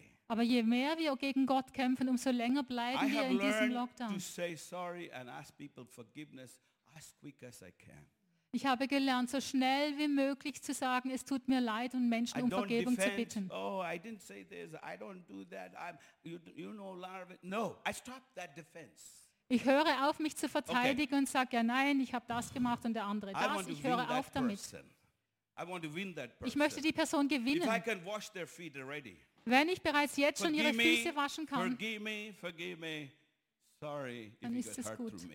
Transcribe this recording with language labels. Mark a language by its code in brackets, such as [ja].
[de] Aber je mehr wir gegen Gott kämpfen, umso länger bleiben wir in diesem Lockdown. Ich habe gelernt, so schnell wie möglich zu sagen, es tut mir leid, und Menschen um Vergebung zu bitten. [en] Oh, I didn't say this, I don't do that, I'm, you know, Lara, no, I stopped that defense. [de] Ich höre auf, mich zu verteidigen, okay. Und sage, ja, nein, ich habe das gemacht und der andere das, ich höre auf damit. [en] I want to win that person. [de] Ich möchte die Person gewinnen. [en] If I can wash their feet already. [de] Wenn ich bereits jetzt schon ihre Füße waschen kann, [en] forgive me. Sorry, [de] dann ist es gut.